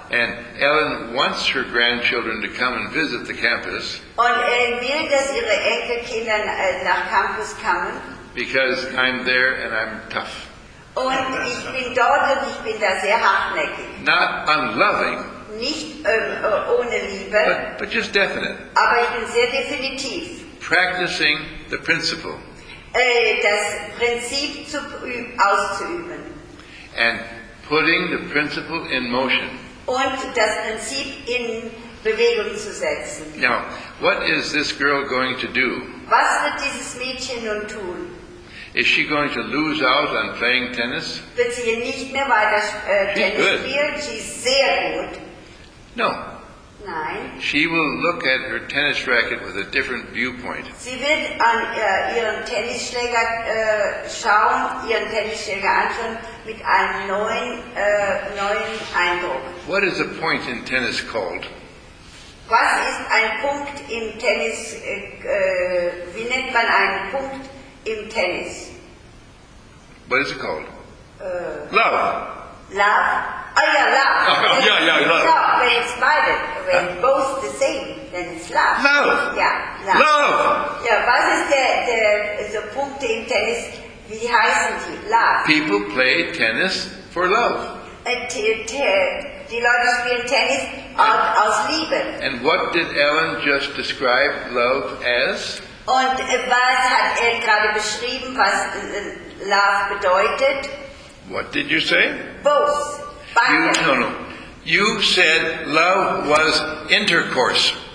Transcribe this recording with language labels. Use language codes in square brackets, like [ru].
[en] And Ellen wants her grandchildren to come and visit the campus. [de] Und Ellen will, dass ihre Enkelkinder nach Campus kommen. [en] Because I'm there and I'm tough. [de] Und ich bin dort und ich bin da sehr hartnäckig. [en] Not unloving. [de] Nicht ohne Liebe. [en] But just definite. [de] Aber ich bin sehr definitiv. [en] Practicing the principle. [de] Das Prinzip auszuüben. [en] And putting the principle in motion. [de] Und das Prinzip in Bewegung zu setzen. [en] Now, what is this girl going to do? [de] Was wird dieses Mädchen nun tun? [en] Is she going to lose out on playing tennis? [de] Wird sie nicht mehr weiter Tennis spielen? Sie ist sehr gut. [en] No. [de] Nein. [en] She will look at her tennis racket with a different viewpoint. [de] Sie wird an ihren Tennisschläger schauen, ihren Tennisschläger anschauen mit einem neuen Eindruck. [en] What is a point in tennis called? [de] Was ist ein Punkt im Tennis? Wie nennt man einen Punkt im Tennis? [en] What is it called? Love. Love. Oh yeah, love. Love. When it's [de] beide, [en] when both the same, then it's love. Love. Yeah, love. Love. Yeah, [de] was ist der Punkt im Tennis? Wie heißen die? Love. [en] People play tennis for love. [de] Die Leute spielen Tennis aus Liebe. [en] And what did Ellen just describe love as? [de] Und was hat Ellen gerade beschrieben, was love bedeutet? [en] What did you say? Both. No. You said love was intercourse.